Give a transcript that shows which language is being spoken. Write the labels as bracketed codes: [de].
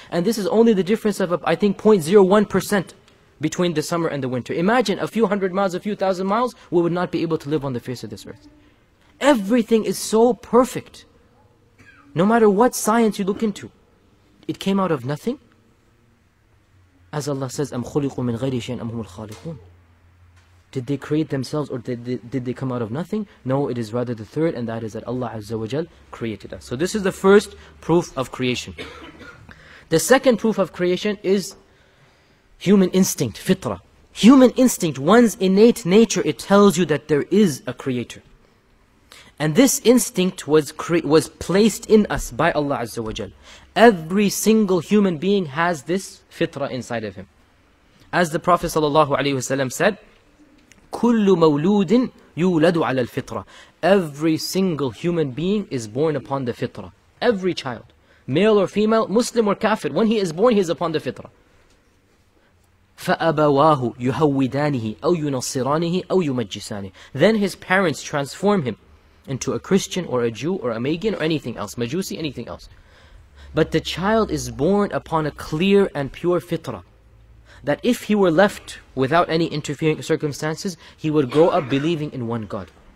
[en] And this is only the difference of, I think, 0.01% between the summer and the winter. Imagine a few hundred miles, a few thousand miles, we would not be able to live on the face of this earth. Everything is so perfect. No matter what science you look into, it came out of nothing. As Allah says, [ar] أَمْ خُلِقُوا مِنْ غَيْرِ شَيْءٍ أَمْ هُمُ الْخَالِقُونَ. [en] Did they create themselves or did they come out of nothing? No, it is rather the third, and that is that Allah Azza wa Jal created us. So this is the first proof of creation. The second proof of creation is human instinct, fitrah. Human instinct, one's innate nature, it tells you that there is a creator. And this instinct was placed in us by Allah Azza wa Jal. Every single human being has this fitrah inside of him. As the Prophet Sallallahu Alaihi Wasallam said, [ar] كل مولود يولد على الفطرة. [en] Every single human being is born upon the fitrah. Every child, male or female, Muslim or kafir, when he is born, he is upon the fitrah. [ar] فأبواه يهودانه أو ينصرانه أو يمجسانه. [en] Then his parents transform him into a Christian or a Jew or a Magian or anything else, Majusi, anything else. But the child is born upon a clear and pure fitrah. That if he were left without any interfering circumstances, he would grow up believing in one God.